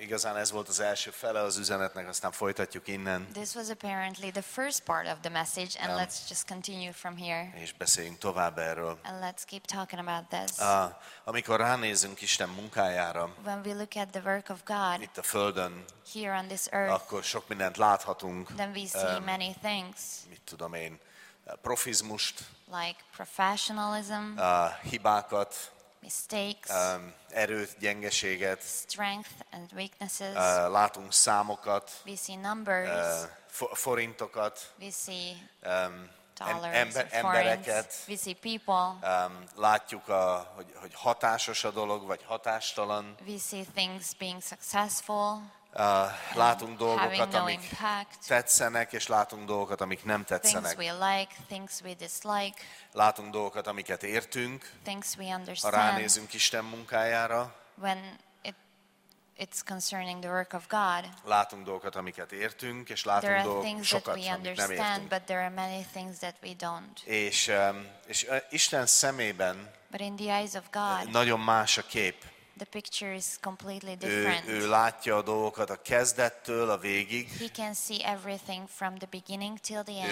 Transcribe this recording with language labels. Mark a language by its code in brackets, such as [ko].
[hu] Igazán ez volt az első fele az üzenetnek, aztán folytatjuk innen. [en] This was apparently the first part of the message, and let's just continue from here. [hu] És beszéljünk tovább erről. [en] And let's keep talking about this. [hu] Amikor ránézünk Isten munkájára, [en] when we look at the work of God, [hu] itt a Földön, [en] here on this earth, [hu] akkor sok mindent láthatunk. [en] Then we see many things. [hu] Mit tudom én, profizmust, [en] like professionalism, [hu] hibákat, [en] mistakes, [hu] erőt, gyengeséget, [en] strength and weaknesses, [hu] látunk számokat, [en] we see numbers, [hu] forintokat, [en] we see dollars, [hu] embereket, [en] we see people, [hu] látjuk, hogy hatásos a dolog, vagy hatástalan, [en] we see things being successful, [hu] látunk dolgokat, amik tetszenek, és látunk dolgokat, amik nem tetszenek. [en] Things we like, things we dislike. [hu] Látunk dolgokat, amiket értünk. [en] Things we understand. [hu] Ha ránézünk Isten munkájára. [en] When it's concerning the work of God. [hu] Látunk dolgokat, amiket értünk, és látunk dolgokat, sokat, amit nem értünk. [en] There are things that we understand, but there are many things that we don't. [hu] És Isten szemében. [en] But in the eyes of God. [hu] Nagyon más a kép. [en] The picture is completely different. [hu] Ő látja a dolgokat a kezdettől a végig. [en] He can see everything from the beginning till the end.